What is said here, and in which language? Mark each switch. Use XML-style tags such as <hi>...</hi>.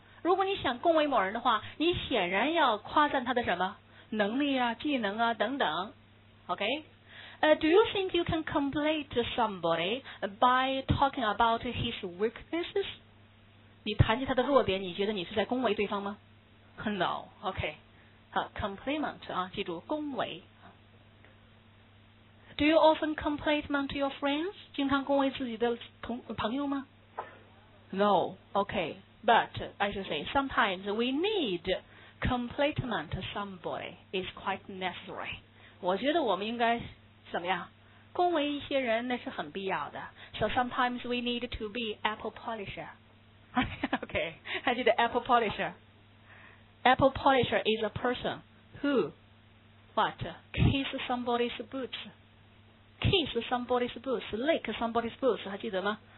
<zh>如果你想恭维某人的话，你显然要夸赞他的什么能力啊、技能啊等等 ，OK。</zh> <en>Do you think you can complete somebody by talking about his weaknesses?</en> <zh>你谈及他的弱点，你觉得你是在恭维对方吗 ？No. OK. 好 ，compliment 啊，记住恭维。</zh> <en>Do you often compliment your friends?</en> <zh>经常恭维自己的朋友吗 ？No.</zh> <en>OK. But I should say sometimes we need compliment somebody is quite necessary.</en> <zh>我觉得我们应该。怎么样？恭维一些人那是很必要的。</zh> <en>So sometimes we need to be apple polisher. OK，</en> <zh>还记得</zh> <en>apple polisher？ Apple polisher is a person who what kiss somebody's boots， kiss somebody's boots， lick somebody's boots，</en> <zh>还记得吗？</zh>